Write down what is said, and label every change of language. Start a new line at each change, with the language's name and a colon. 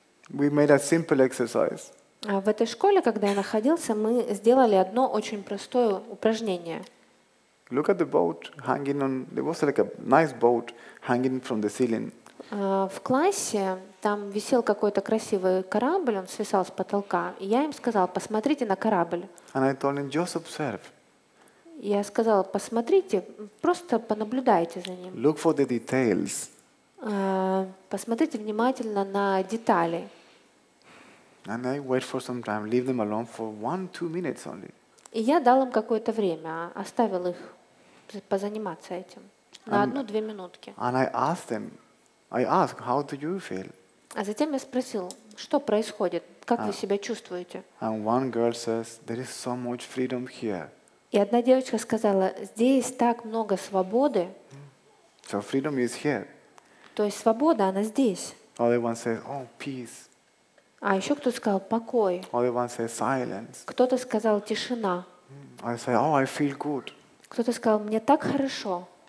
English: We made a simple exercise.
Russian: В этой школе, когда я находился, мы сделали одно очень простое упражнение.
English: Look at the boat hanging on. There was like a nice boat hanging from the ceiling.
Russian: В классе там висел какой-то красивый корабль, он свисал с потолка. И я им сказал: посмотрите на корабль.
English: And I told them, just observe.
Russian: Я сказал: посмотрите, просто понаблюдайте за ним.
English: Look for the details.
Russian: Посмотрите внимательно на детали.
English: And I wait for some time, leave them alone for 1-2 minutes only.
Russian: И я дал им какое-то время, оставил их позаниматься этим на 1-2 минутки.
English: And I asked them, I asked, how do you feel?
Russian: А затем я спросил, что происходит, как вы себя чувствуете?
English: And one girl says, there is so much freedom here.
Russian: И одна девочка сказала, здесь так много свободы.
English: So freedom is here.
Russian: То есть свобода, она здесь.
English: All everyone says, oh, peace.
Russian: А еще кто-то сказал покой. Кто-то сказал тишина. Кто-то сказал мне так хорошо.